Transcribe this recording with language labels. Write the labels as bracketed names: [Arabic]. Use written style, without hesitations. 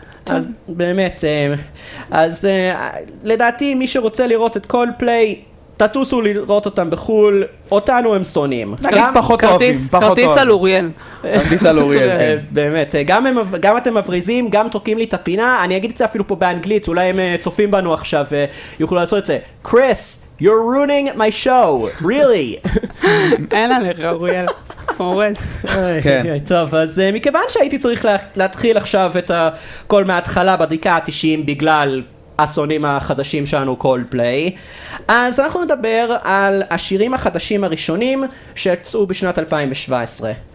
[Hebrew] אז באמת, אז לדעתי מי שרוצה לראות את קולדפליי, תטוסו לראות אותם בחול, אותנו הם שונאים. נגיד פחות אוהבים. כרטיס על אוריאל. כרטיס על אוריאל, כן. באמת, גם אתם מבריזים, גם תוקעים לי את הפינה, אני אגיד את זה אפילו פה באנגלית, אולי הם צופים בנו עכשיו ויוכלו לעשות את זה. [English] קריס, you're ruining my show, really. [Hebrew] אין עליך, אוריאל. הורס. כן. טוב, אז מכיוון שהייתי צריך להתחיל עכשיו את הכל מההתחלה בדיקה ה-90 בגלל... האסונים החדשים שלנו קולדפליי. אז אנחנו נדבר על השירים החדשים הראשונים שיצאו בשנת 2017.